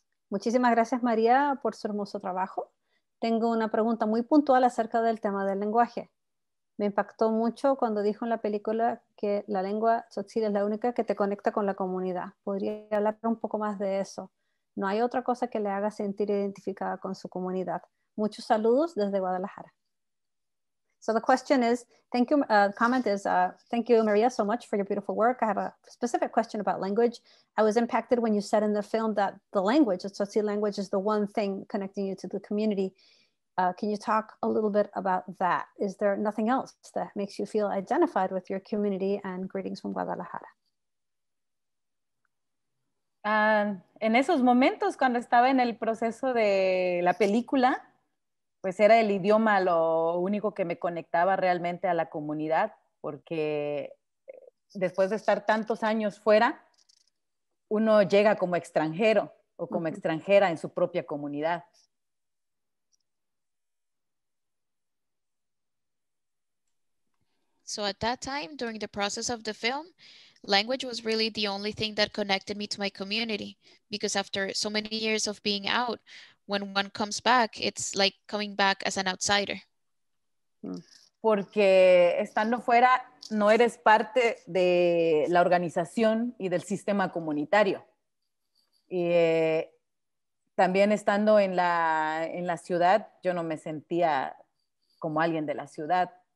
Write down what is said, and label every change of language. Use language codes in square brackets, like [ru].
[es] Muchísimas gracias, María, por su hermoso trabajo. Tengo una pregunta muy puntual acerca del tema del lenguaje. Me impactó mucho cuando dijo en la película que la lengua tzotzil es la única que te conecta con la comunidad. ¿Podría hablar un poco más de eso? No hay otra cosa que le haga sentir identificada con su comunidad. Muchos saludos desde Guadalajara. [en] So the question is, thank you, comment is, thank you, Maria, so much for your beautiful work. I have a specific question about language. I was impacted when you said in the film that the language, the tzotzil language, is the one thing connecting you to the community. Can you talk a little bit about that? Is there nothing else that makes you feel identified with your community? And greetings from Guadalajara. [es] En esos momentos, cuando estaba en el proceso de la película, pues era el idioma lo único que me conectaba realmente a la comunidad, porque después de estar tantos años fuera, uno llega como extranjero o como extranjera en su propia comunidad. [en] So at that time, during the process of the film, language was really the only thing that connected me to my community. Because after so many years of being out, when one comes back, it's like coming back as an outsider. [es] Porque estando fuera, no eres parte de la organización y del sistema comunitario. Y también estando en la ciudad, yo no me sentía como alguien de la ciudad.